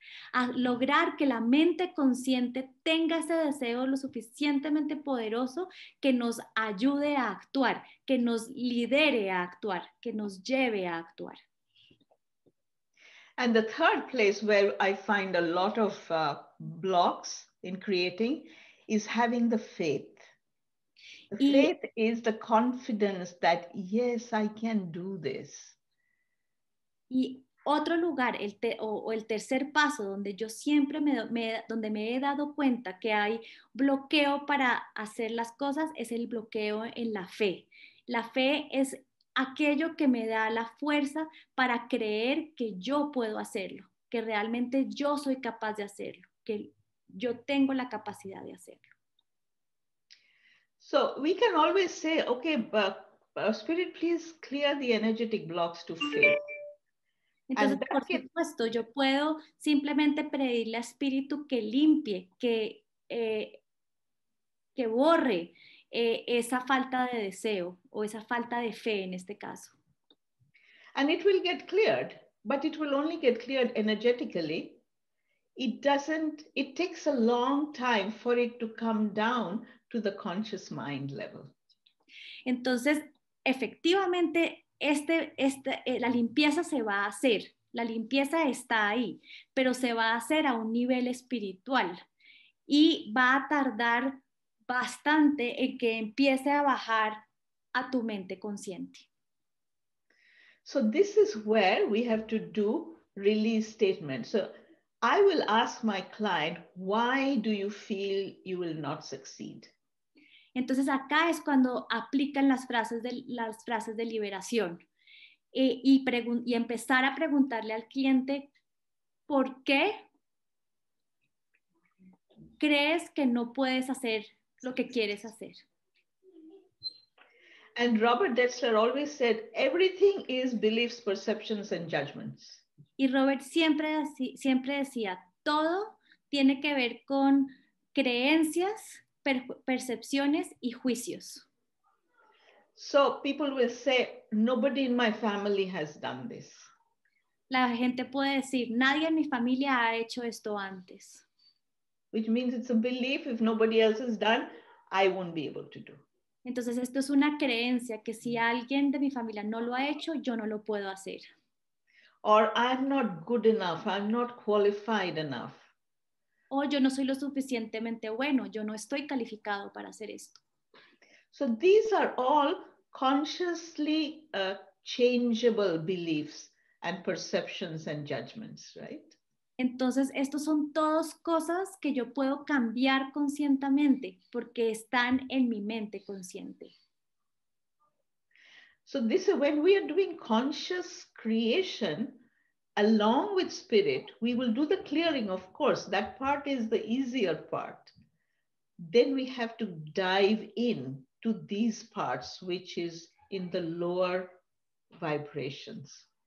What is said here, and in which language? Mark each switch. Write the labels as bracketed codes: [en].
[es] a lograr que la mente consciente tenga ese deseo lo suficientemente poderoso que nos ayude a actuar, que nos lidere a actuar, que nos lleve a actuar. [en] And the third place where I find a lot of blocks in creating is having the faith. Faith is the confidence that yes, I can do this. [es] Y otro lugar, el tercer paso donde yo siempre donde me he dado cuenta que hay bloqueo para hacer las cosas es el bloqueo en la fe. La fe es aquello que me da la fuerza para creer que yo puedo hacerlo, que realmente yo soy capaz de hacerlo, que yo tengo la capacidad de hacerlo. [en] So we can always say, okay, but Spirit, please clear the energetic blocks to faith. [es] Entonces, por supuesto, yo puedo simplemente pedirle a Espíritu que limpie, que borre esa falta de deseo o esa falta de fe en este caso. [en] And it will get cleared, but it will only get cleared energetically. It takes a long time for it to come down to the conscious mind level. [es] Entonces, efectivamente, la limpieza se va a hacer. La limpieza está ahí, pero se va a hacer a un nivel espiritual y va a tardar bastante en que empiece a bajar a tu mente consciente. [en] So this is where we have to do release statement. So I will ask my client, why do you feel you will not succeed? [es] Entonces acá es cuando aplican las frases de liberación. Y empezar a preguntarle al cliente, ¿por qué crees que no puedes hacer lo que quieres hacer? [en] And Robert Detzler always said, everything is beliefs, perceptions and judgments. [es] Y Robert siempre decía, todo tiene que ver con creencias, percepciones y juicios. [en] So people will say, nobody in my family has done this. [es] La gente puede decir, nadie en mi familia ha hecho esto antes. [en] Which means it's a belief, if nobody else has done, I won't be able to do. [es] Entonces esto es una creencia, que si alguien de mi familia no lo ha hecho, yo no lo puedo hacer. [en] Or I'm not good enough, I'm not qualified enough. [es] O yo no soy lo suficientemente bueno, yo no estoy calificado para hacer esto. [en] So these are all consciously changeable beliefs and perceptions and judgments, right? [es] Entonces, estos son todos cosas que yo puedo cambiar conscientemente porque están en mi mente consciente. [en] So this is when we are doing conscious creation along with spirit, we will do the clearing, of course. That part is the easier part. Then we have to dive in to these parts, which is in the lower vibrations.